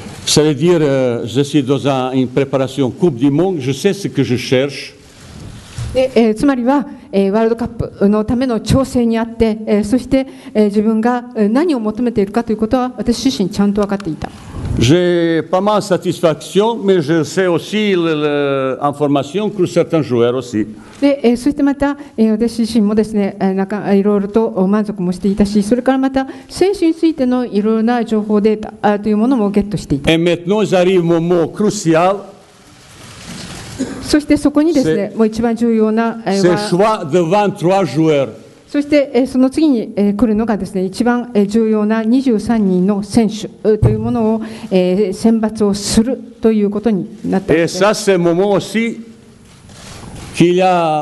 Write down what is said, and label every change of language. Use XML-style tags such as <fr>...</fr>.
<ja>それは、</ja> <fr>je suis dans une préparation Coupe du Monde, je sais ce que je cherche。</fr> <ja>つまりは、ワールドカップのための調整にあって、そして、自分が何を求めているかということは私自身ちゃんと分かっていた。</ja> <fr>J'ai pas mal de satisfaction, mais je sais aussi l'information que certains joueurs aussi.</fr> <ja>で、そしてまた、私自身もですね、なんかいろいろと満足もしていたし、それからまた選手についてのいろいろな情報データというものもゲットしていた。</ja> <fr>Et maintenant, j'arrive au moment crucial.</fr> <ja>そしてそこにですね、もう一番重要な、そしてその次に来るのがですね、一番重要な23人の選手というものを選抜をするということになったわけです。</ja> <fr>ça c'est moment aussi qu'il y a。</fr>